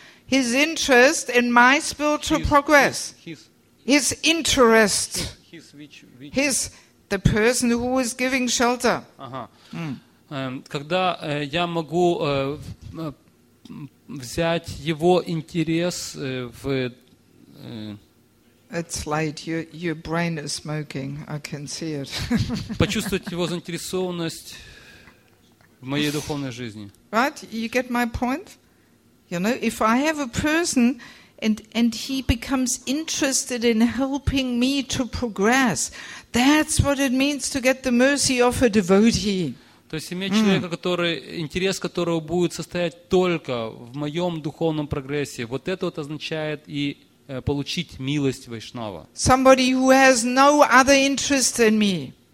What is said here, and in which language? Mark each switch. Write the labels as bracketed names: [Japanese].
[English] his interest in my spiritual progress. His interest. His the person who is giving shelter. [Russian] Когда я могу взять его интерес в... [English] It's late. Your brain is smoking. I can see it. [Russian] Почувствовать его заинтересованность в моей духовной жизни. [English] Right? You get my point? You know, if I have a person and he becomes interested in helping me to progress, that's what it means to get the mercy of a devotee. [Russian] То есть иметь человека, который, интерес которого будет состоять только в моем духовном прогрессе, вот это вот означает и получить милость Вайшнава. [English] Somebody who has no other interest in me.